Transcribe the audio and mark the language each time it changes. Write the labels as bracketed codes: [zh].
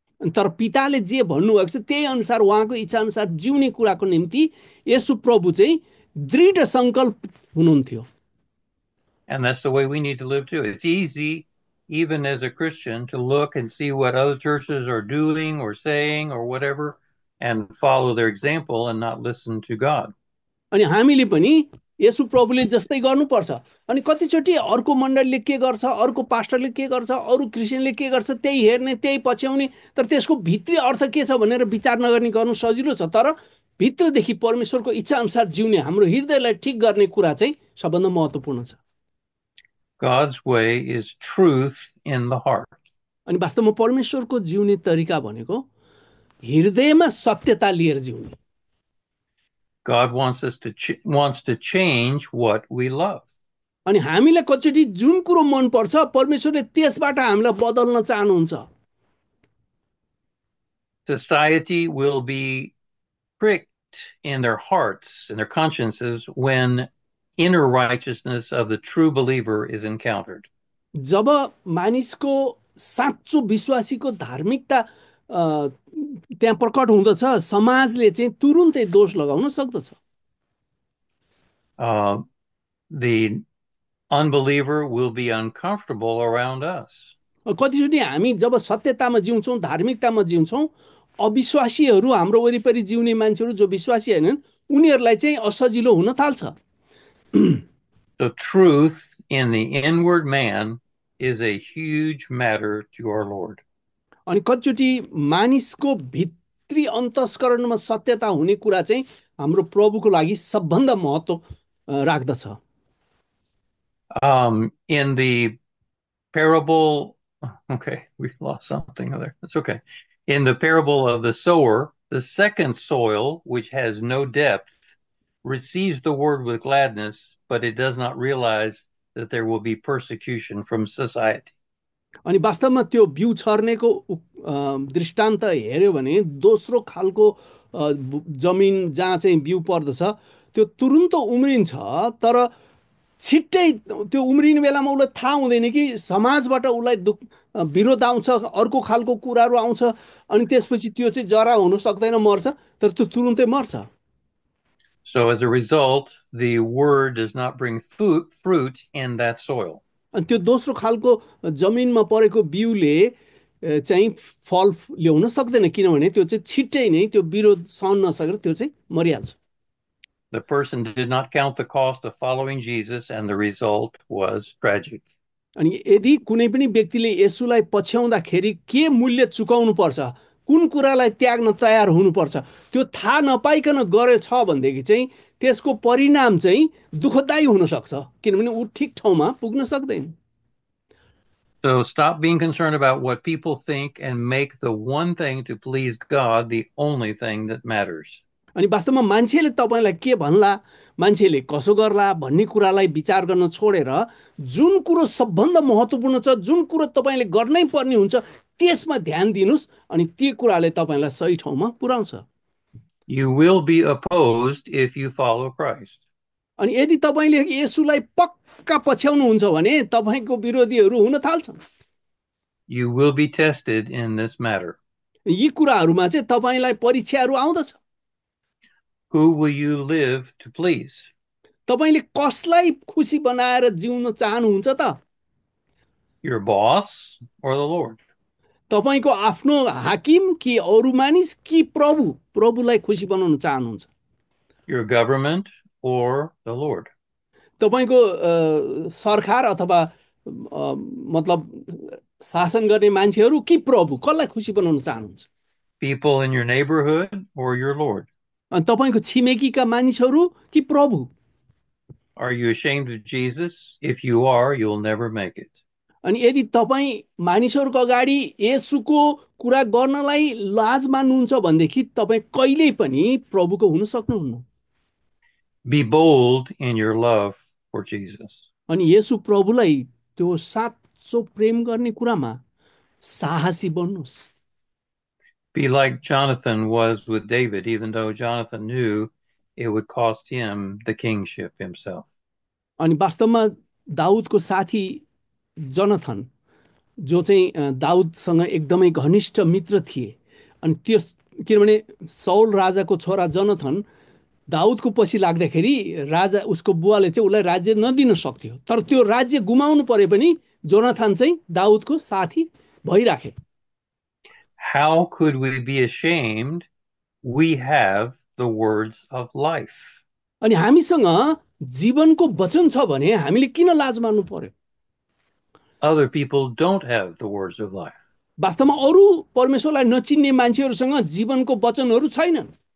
[ne] तर पिताले जे भन्नुभएको छ त्यही अनुसार उहाँको इच्छा अनुसार जिउने कुराको निम्ति येशु प्रभु चाहिँ दृढ संकल्प हुनुहुन्थ्यो। [en] And that's the way we need to live too. It's easy. Even as a Christian, to look and see what other churches are doing or saying or whatever, and follow their example and not listen to God. [ne] अनि हामीले पनि येशु प्रभुले जस्तै गर्नुपर्छ। अनि कतिचोटि अर्को मण्डलीले के गर्छ, अर्को पास्टरले के गर्छ, अरू क्रिस्चियनले के गर्छ, त्यही हेर्ने, त्यही पछ्याउने, तर त्यसको भित्री अर्थ के छ भनेर विचार नगर्ने गर्नु सजिलो छ, तर भित्रदेखि परमेश्वरको इच्छा अनुसार जिउने, हाम्रो हृदयलाई ठिक गर्ने कुरा चाहिँ सबभन्दा महत्त्वपूर्ण छ। [en] God's way is truth in the heart. [ne] अनि वास्तवमा परमेश्वरको जिउने तरिका भनेको हृदयमा सत्यता लिएर जिउने। [en] God wants us to wants to change what we love. [ne] अनि हामीलाई कचोटि जुन कुरो मन पर्छ परमेश्वरले त्यसबाट हामीलाई बदल्न चाहनुहुन्छ। [en] Society will be pricked in their hearts and their consciences when inner righteousness of the true believer is encountered. [ne] जब मानिसको साँचो विश्वासीको धार्मिकता त्यहाँ प्रकट हुँदछ, समाजले चाहिँ तुरुन्तै दोष लगाउन सक्दछ। [en] The unbeliever will be uncomfortable around us. [ne] कतिचोटि हामी जब सत्यतामा जिउँछौँ, धार्मिकतामा जिउँछौँ, अविश्वासीहरू हाम्रो वरिपरि जिउने मान्छेहरू जो विश्वासी होइनन् उनीहरूलाई चाहिँ असजिलो हुन थाल्छ। [en] The truth in the inward man is a huge matter to our Lord. [ne] अनि कतिचोटि मानिसको भित्री अन्तस्करणमा सत्यता हुने कुरा चाहिँ हाम्रो प्रभुको लागि सबभन्दा महत्त्व राख्दछ। [en] In the parable, okay, we lost something there. That's okay. In the parable of the sower, the second soil, which has no depth, receives the word with gladness, but it does not realize that there will be persecution from society. [ne] अनि वास्तवमा त्यो बिउ छर्नेको दृष्टान्त हेऱ्यो भने दोस्रो खालको जमिन जहाँ चाहिँ बिउ पर्दछ त्यो तुरुन्त उम्रिन्छ, तर छिट्टै त्यो उम्रिने बेलामा उसलाई थाहा हुँदैन कि समाजबाट उसलाई दुख विरोध आउँछ, अर्को खालको कुराहरू आउँछ, अनि त्यसपछि त्यो चाहिँ जरा हुन सक्दैन, मर्छ, तर त्यो तुरुन्तै मर्छ। [en] So as a result, the word does not bring fruit in that soil. [ne] अनि त्यो दोस्रो खालको जमिनमा परेको बिउले चाहिँ फल ल्याउन सक्दैन, किनभने त्यो चाहिँ छिट्टै नै त्यो विरोध सहन नसकेर त्यो चाहिँ मरिहाल्छ। [en] The person did not count the cost of following Jesus, and the result was tragic. [ne] अनि यदि कुनै पनि व्यक्तिले येशूलाई पछ्याउँदाखेरि के मूल्य चुकाउनु पर्छ, कुन कुरालाई त्याग्न तयार हुनुपर्छ, त्यो थाहा नपाइकन गरे छ भनेदेखि चाहिँ त्यसको परिणाम चाहिँ दुःखदायी हुनसक्छ, किनभने ऊ ठिक ठाउँमा पुग्न सक्दैन। [en] So stop being concerned about what people think and make the one thing to please God the only thing that matters. [ne] अनि वास्तवमा मान्छेले तपाईँलाई के भन्ला, मान्छेले कसो गर्ला भन्ने कुरालाई विचार गर्न छोडेर जुन कुरो सबभन्दा महत्त्वपूर्ण छ, जुन कुरो तपाईँले गर्नै पर्ने हुन्छ, त्यसमा ध्यान दिनुहोस् अनि त्यो कुराले तपाईँलाई सही ठाउँमा पुर्याउँछ। [en] You will be opposed if you follow Christ. [ne] अनि यदि तपाईँले येशूलाई पक्का पछ्याउनुहुन्छ भने तपाईँको विरोधीहरू हुन थाल्छन्। [en] You will be tested in this matter. [ne] यी कुराहरूमा चाहिँ तपाईँलाई परीक्षाहरू आउँदछ। [en] Who will you live to please? [ne] तपाईँले कसलाई खुसी बनाएर जिउन चाहनुहुन्छ त? [en] Your boss or the Lord? [ne] तपाईँको आफ्नो हाकिम कि अरू मानिस कि प्रभु? प्रभुलाई खुसी बनाउन चाहनुहुन्छ? [en] Your government or the Lord? [ne] तपाईँको सरकार अथवा मतलब शासन गर्ने मान्छेहरू कि प्रभु? कसलाई खुसी बनाउन चाहनुहुन्छ? [en] People in your neighborhood or your Lord? [ne] अनि तपाईँको छिमेकीका मानिसहरू कि प्रभु? [en] Are you ashamed of Jesus? If you are, you'll never make it. [ne] अनि यदि तपाईँ मानिसहरूको अगाडि येशूको कुरा गर्नलाई लाज मान्नुहुन्छ भनेदेखि तपाईँ कहिल्यै पनि प्रभुको हुन सक्नुहुन्न। [en] Be bold in your love for Jesus. [ne] अनि येशू प्रभुलाई त्यो साँचो प्रेम गर्ने कुरामा साहसी बन्नुहोस्। [en] Be like Jonathan was with David, even though Jonathan knew it would cost him the kingship himself. [ne] अनि वास्तवमा दाउदको साथी जोनाथन, जो चाहिँ दाउदसँग एकदमै घनिष्ठ मित्र थिए, अनि त्यो किनभने सौल राजाको छोरा जोनाथन दाउदको पछि लाग्दाखेरि राजा उसको बुवाले चाहिँ उसलाई राज्य नदिन सक्थ्यो, तर त्यो राज्य गुमाउनु परे पनि जोनाथन चाहिँ दाउदको साथी भइराखे। [en] How could we be ashamed? We have the words of life. [ne] अनि हामीसँग जीवनको वचन छ भने हामीले किन लाज मान्नु पर्यो? [en] Other people don't have the words of life. [ne] वास्तवमा अरू परमेश्वरलाई नचिन्ने मान्छेहरूसँग जीवनको वचनहरू छैनन्।